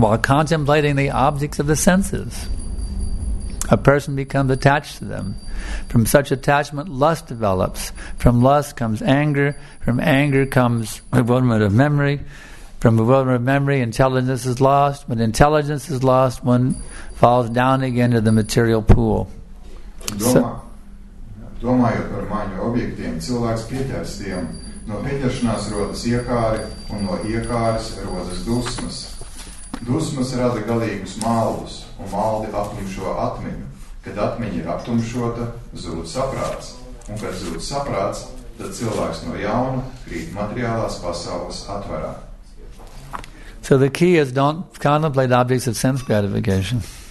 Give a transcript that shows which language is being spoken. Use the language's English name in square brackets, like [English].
[English] While contemplating the objects of the senses, a person becomes attached to them. From such attachment, lust develops. From lust comes anger. From anger comes bewilderment of memory. From bewilderment of memory, intelligence is lost. When intelligence is lost, one falls down again to the material pool. [Latvian] Domājot par maņu objektiem, cilvēks pieķers tiem. No pieķeršanās rodas iekāri, un no iekāres rodas dusmas. Dusmas rada galīgus maldus, un maldi aptumšo atmiņu. Kad atmiņa ir aptumšota, zūd saprāts. Un kad zūd saprāts, tad cilvēks no jauna krīt materiālās pasaules atvarā. [English] So the key is don't contemplate objects of sense gratification.